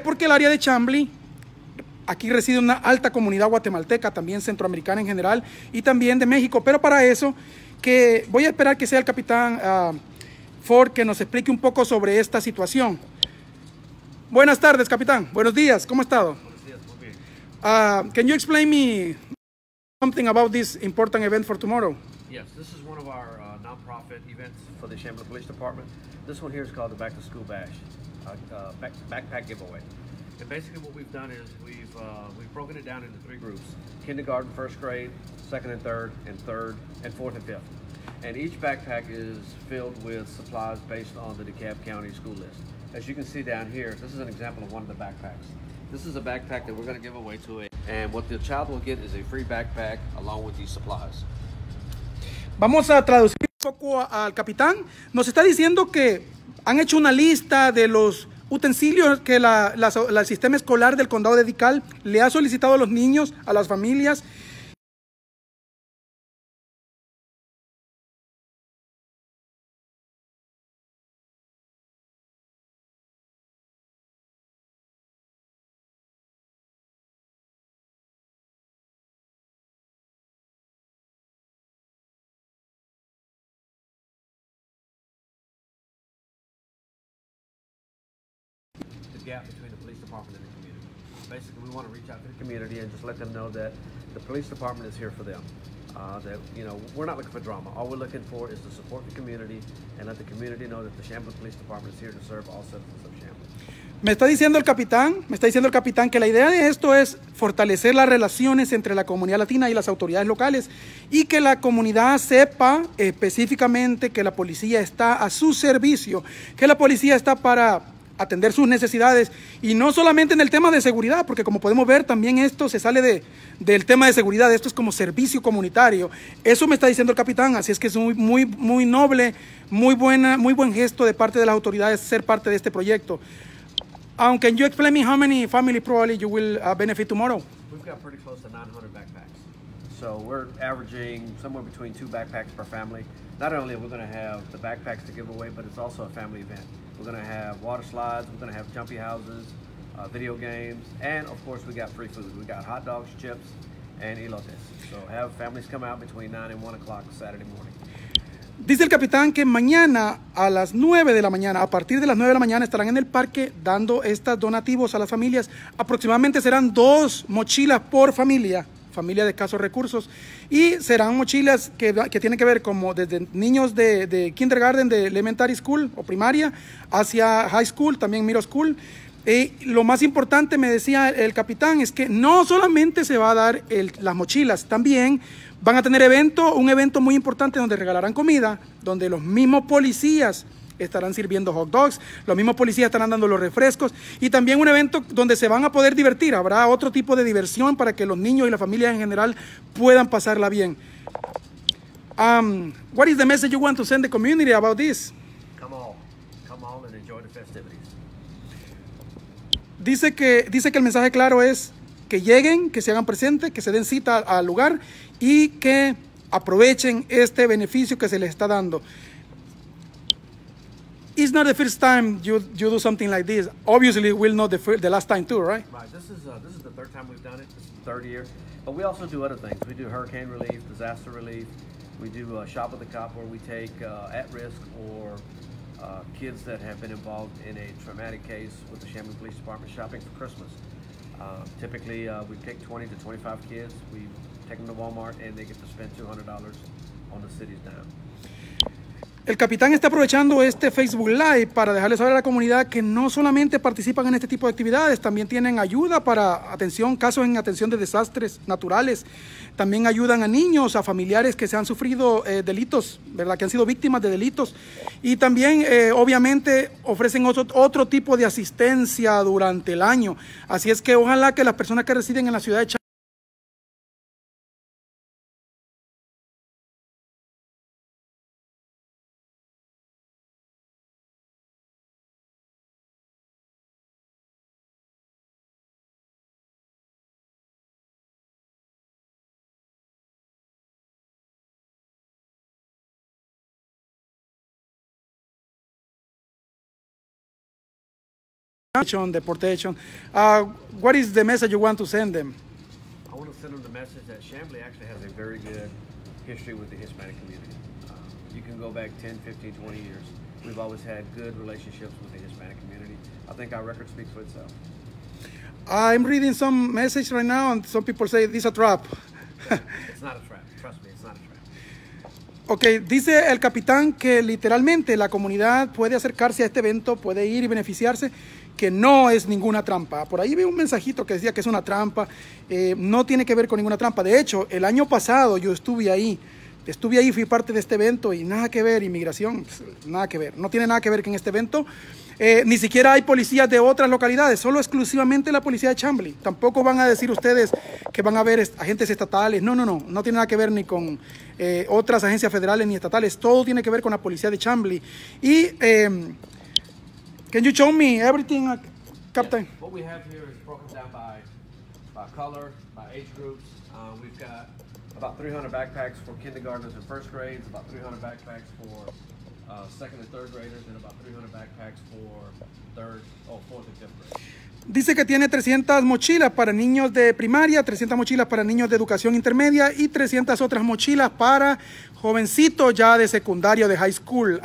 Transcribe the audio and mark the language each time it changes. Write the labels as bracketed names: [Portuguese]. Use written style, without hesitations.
[Spanish] Porque el área de Chamblee, aquí reside una alta comunidad guatemalteca, también centroamericana en general, y también de México. Pero para eso, que voy a esperar que sea el capitán Ford que nos explique un poco sobre esta situación. Buenas tardes, capitán. Buenos días. ¿Cómo ha estado? Buenos días. Muy bien. [English] Can you explain me something about this important event for tomorrow? Yes, this is one of our non-profit events for the Chamblee Police Department. This one here is called the Back to School Bash, backpack giveaway. And basically what we've done is we've broken it down into three groups: kindergarten, first grade, second and third, and third, and fourth and fifth. And each backpack is filled with supplies based on the DeKalb County school list. As you can see down here, this is an example of one of the backpacks. This is a backpack that we're gonna give away to it. And what the child will get is a free backpack along with these supplies. [Spanish] Vamos a traducir un poco al capitán. Nos está diciendo que han hecho una lista de los utensilios que el sistema escolar del condado de DeKalb le ha solicitado a los niños, a las familias. [English] Between the police department and the community. Basically, we want to reach out to the community and just let them know that the police department is here for them. That, you know, we're not looking for drama. All we're looking for is to support the community and let the community know that the Chamblee Police Department is here to serve all citizens of Chamblee. [Spanish] Me está diciendo el capitán que la idea de esto es fortalecer las relaciones entre la comunidad latina y las autoridades locales y que la comunidad sepa específicamente que la policía está a su servicio, que la policía está para atender sus necesidades, y no solamente en el tema de seguridad, porque como podemos ver, también esto se sale del tema de seguridad, esto es como servicio comunitario. Eso me está diciendo el capitán, así es que es muy, muy, muy noble, muy buena, muy buen gesto de parte de las autoridades ser parte de este proyecto. [English] Aunque can you explain me how many families probably you will benefit tomorrow? We've got pretty close to 900 backpacks. So we're averaging somewhere between 2 backpacks per family. Not only are we going to have the backpacks to give away, but it's also a family event. We're going to have water slides, we're going to have jumpy houses, video games, and of course we got free food. We got hot dogs, chips, and elotes. So have families come out between 9 and 1 o'clock Saturday morning. [Spanish] Dice el capitán que mañana a las 9 de la mañana, a partir de las 9 de la mañana, estarán en el parque dando estos donativos a las familias. Aproximadamente serán 2 mochilas por familia, familia de escasos recursos, y serán mochilas que tienen que ver como desde niños de kindergarten, de elementary school o primaria, hacia high school, también middle school. Y lo más importante, me decía el capitán, es que no solamente se va a dar las mochilas, también van a tener un evento muy importante donde regalarán comida, donde los mismos policías estarán sirviendo hot dogs, los mismos policías estarán dando los refrescos, y también un evento donde se van a poder divertir. Habrá otro tipo de diversión para que los niños y la familia en general puedan pasarla bien. [English] What is the message you want to send the community about this? Come all and enjoy the festivities. [Spanish] Dice que el mensaje claro es que lleguen, que se hagan presentes, que se den cita al lugar y que aprovechen este beneficio que se les está dando. [English] It's not the first time you do something like this. Obviously, we'll know the last time too, right? Right. This is the third time we've done it. This is the third year. But we also do other things. We do hurricane relief, disaster relief. We do a shop of the cop where we take at-risk or kids that have been involved in a traumatic case with the Shamu Police Department shopping for Christmas. Typically, we pick 20 to 25 kids. We take them to Walmart and they get to spend $200 on the city's dime. [Spanish] El capitán está aprovechando este Facebook Live para dejarle saber a la comunidad que no solamente participan en este tipo de actividades, también tienen ayuda para atención, casos en atención de desastres naturales. También ayudan a niños, a familiares que se han sufrido delitos, ¿verdad? Que han sido víctimas de delitos. Y también, obviamente, ofrecen otro tipo de asistencia durante el año. Así es que ojalá que las personas que residen en la ciudad de Chávez deportation. [English] What is the message you want to send them? I want to send them the message that Chambly actually has a very good history with the Hispanic community. You can go back 10, 15, 20 years. We've always had good relationships with the Hispanic community. I think our record speaks for itself. I'm reading some message right now and some people say this is a trap. It's not a trap. Trust me, it's not a trap. [Spanish] Ok, dice el capitán que literalmente la comunidad puede acercarse a este evento, puede ir y beneficiarse, que no es ninguna trampa. Por ahí vi un mensajito que decía que es una trampa, no tiene que ver con ninguna trampa. De hecho, el año pasado yo estuve ahí, fui parte de este evento y nada que ver, inmigración, nada que ver. No tiene nada que ver con este evento, ni siquiera hay policías de otras localidades, solo exclusivamente la policía de Chambly. Tampoco van a decir ustedes que van a ver agentes estatales, no tiene nada que ver ni con otras agencias federales ni estatales, todo tiene que ver con la policía de Chambly. [English] Y, can you show me everything, Captain? Yeah. What we have here is broken down by color, by age groups. We've got about 300 backpacks for kindergartners and first grades, about 300 backpacks for second and third graders, and about 300 backpacks for fourth and fifth grade. [Spanish] Dice que tiene 300 mochilas para niños de primaria, 300 mochilas para niños de educación intermedia y 300 otras mochilas para jovencitos ya de secundaria o de high school.